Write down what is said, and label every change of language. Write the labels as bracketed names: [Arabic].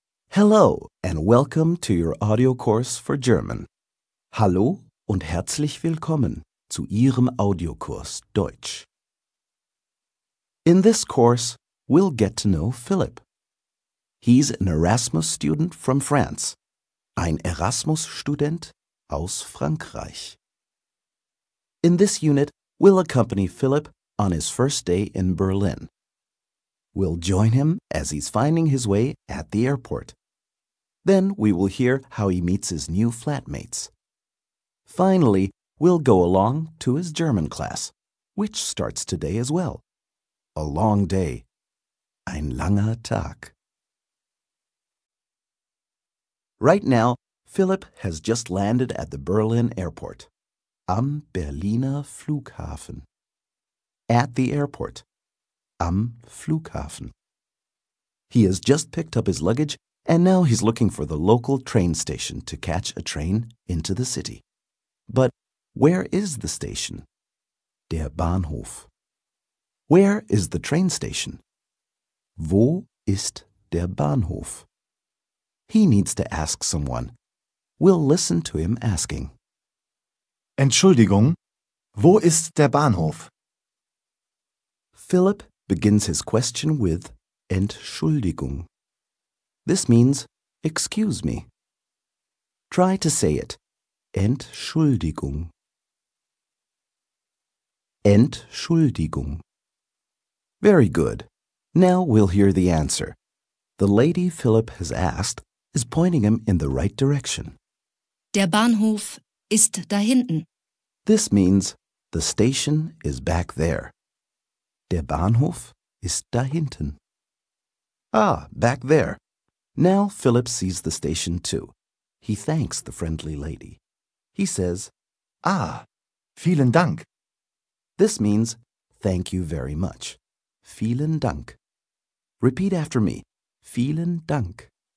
[English] Hello and welcome to your audio course for German. [German] Hallo und herzlich willkommen zu Ihrem Audiokurs Deutsch. [English] In this course, we'll get to know Philipp. He's an Erasmus student from France. [German] Ein Erasmus-Student aus Frankreich. [English] In this unit, we'll accompany Philipp on his first day in Berlin. We'll join him as he's finding his way at the airport. Then we will hear how he meets his new flatmates. Finally, we'll go along to his German class, which starts today as well. A long day. [German] Ein langer Tag. [English] Right now, Philipp has just landed at the Berlin airport. [German] Am Berliner Flughafen. [English] At the airport. [German] Am Flughafen. [English] He has just picked up his luggage and now he's looking for the local train station to catch a train into the city. But where is the station? [German] Der Bahnhof. [English] Where is the train station? [German] Wo ist der Bahnhof? [English] He needs to ask someone. We'll listen to him asking. [German] Entschuldigung, wo ist der Bahnhof? [English] Philipp begins his question with Entschuldigung. This means, excuse me. Try to say it. [German] Entschuldigung. [English] Entschuldigung. Very good. Now we'll hear the answer. The lady Philipp has asked is pointing him in the right direction. [German] Der Bahnhof ist da hinten. [English] This means the station is back there. [German] Der Bahnhof ist da hinten. [English] Ah, back there. Now Philipp sees the station too. He thanks the friendly lady. He says, [German] Ah, vielen Dank. [English] This means thank you very much. [German] Vielen Dank. [English] Repeat after me. [German] Vielen Dank.